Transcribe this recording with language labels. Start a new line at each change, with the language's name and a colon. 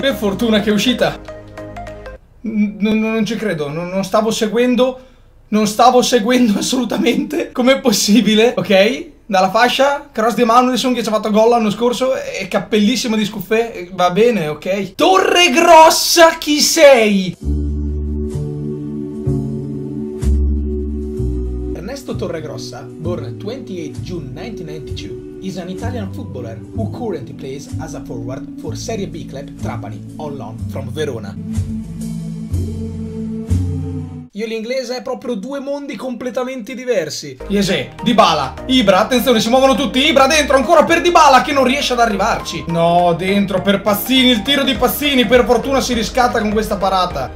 Italian: Per fortuna che è uscita. Non ci credo, non stavo seguendo. Non stavo seguendo assolutamente. Com'è possibile? Ok, dalla fascia, cross di Manuelson che ci ha fatto gol l'anno scorso. E cappellissimo di Scuffè. Va bene, ok. Torre grossa, chi sei?
English: Ernesto Torregrossa, born 28 June 1992, is an Italian footballer who currently plays as a forward for Serie B club Trapani, on loan from Verona.
Italian: Io l'inglese è proprio due mondi completamente diversi. Iese, Dybala, Ibra, attenzione, si muovono tutti. Ibra dentro, ancora per Dybala che non riesce ad arrivarci. No, dentro per Pazzini, il tiro di Pazzini, per fortuna si riscatta con questa parata.